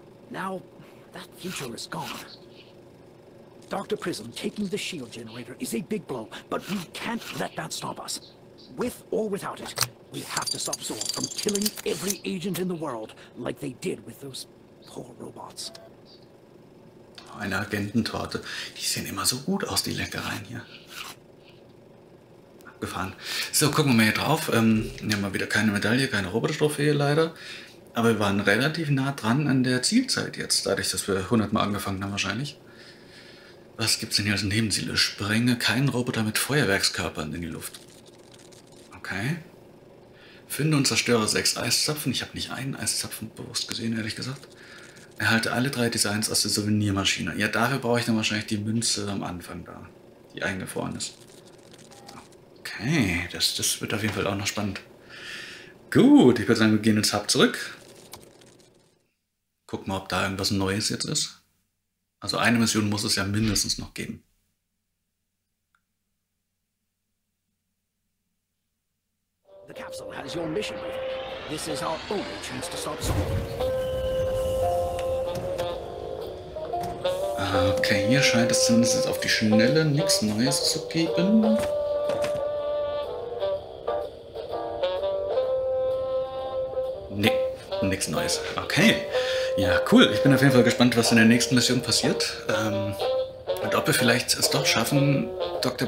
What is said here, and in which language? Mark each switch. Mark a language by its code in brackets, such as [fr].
[en] Now, that future is gone. Dr. Prism taking the shield generator is a big blow, but we can't let that stop us. With or without it, we have to stop Zor from killing every agent in the world, like they did with those poor robots. [de] Eine Agententorte. Die sehen immer so gut aus, die Leckereien hier. Abgefahren. So, gucken wir mal hier drauf. Wir haben mal wieder keine Medaille, keine Robotstrophäe leider. Aber wir waren relativ nah dran an der Zielzeit jetzt, dadurch, dass wir 100 Mal angefangen haben wahrscheinlich. Was gibt's denn hier als Nebenziele? Sprenge keinen Roboter mit Feuerwerkskörpern in die Luft. Okay. Finde und zerstöre 6 Eiszapfen. Ich habe nicht einen Eiszapfen bewusst gesehen, ehrlich gesagt. Erhalte alle 3 Designs aus der Souvenirmaschine. Ja, dafür brauche ich dann wahrscheinlich die Münze am Anfang da, die eingefroren ist. Okay, das wird auf jeden Fall auch noch spannend. Gut, ich würde sagen, wir gehen ins Hub zurück. Guck mal, ob da irgendwas Neues jetzt ist. Also eine Mission muss es ja mindestens noch geben. [en] The capsule has your mission. This is our only chance to stop Zor. [de] Okay, hier scheint es zumindest jetzt auf die Schnelle nichts Neues zu geben. Nee, nichts Neues. Okay. Ja, cool. Ich bin auf jeden Fall gespannt, was in der nächsten Mission passiert. Und ob wir vielleicht es doch schaffen, Dr.